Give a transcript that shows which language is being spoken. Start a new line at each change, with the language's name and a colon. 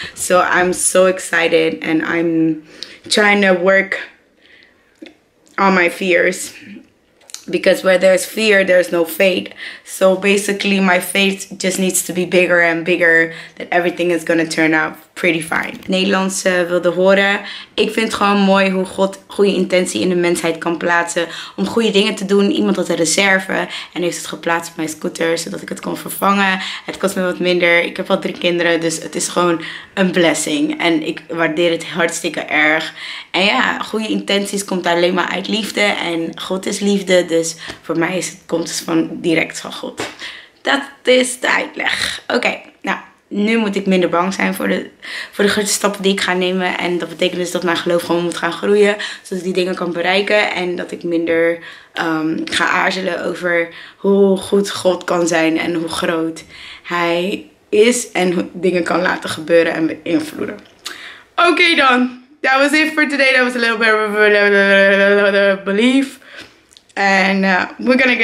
English: So I'm so excited. And I'm trying to work on my fears. Because where there's fear, there's no faith. So basically, my faith just needs to be bigger and bigger. That everything is going to turn out pretty fine.
Dutch: Nederlands wilde horen. Ik vind het gewoon mooi hoe God goede intentie in de mensheid kan plaatsen. Om goede dingen te doen. Iemand had een reserve. En heeft het geplaatst op mijn scooter. Zodat ik het kon vervangen. Het kost me wat minder. Ik heb al 3 kinderen. Dus het is gewoon een blessing. En ik waardeer het hartstikke erg. En ja, goede intenties komt alleen maar uit liefde. En God is liefde. Dus voor mij is het, komt het van direct van God. Dat is de uitleg. Oké, nou. Nu moet ik minder bang zijn voor de grote stappen die ik ga nemen. En dat betekent dus dat mijn geloof gewoon moet gaan groeien. Zodat ik die dingen kan bereiken. En dat ik minder ga aarzelen over hoe goed God kan zijn. En hoe groot Hij is. En hoe dingen kan laten gebeuren en beïnvloeden. Oké dan.
English: That was it for today. That was a little bit of a belief. And we're gonna get...